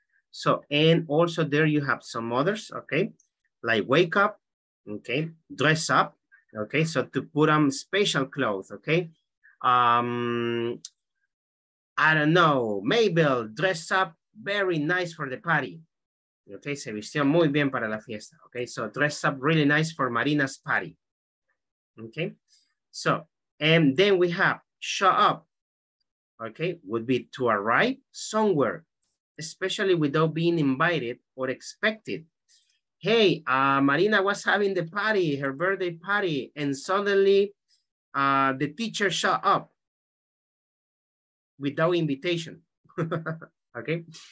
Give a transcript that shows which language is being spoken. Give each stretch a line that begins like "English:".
English: So, and also there you have some others, okay? Like wake up, okay? Dress up. Okay, so to put on special clothes, okay? I don't know, Mabel, dress up very nice for the party.
Spanish: Okay, se vistió muy bien para la fiesta.
English: Okay, so dress up really nice for Marina's party. Okay, so, and then we have show up. Okay, would be to arrive somewhere, especially without being invited or expected. Hey, Marina was having the party, her birthday party, and suddenly the teacher showed up without invitation, okay?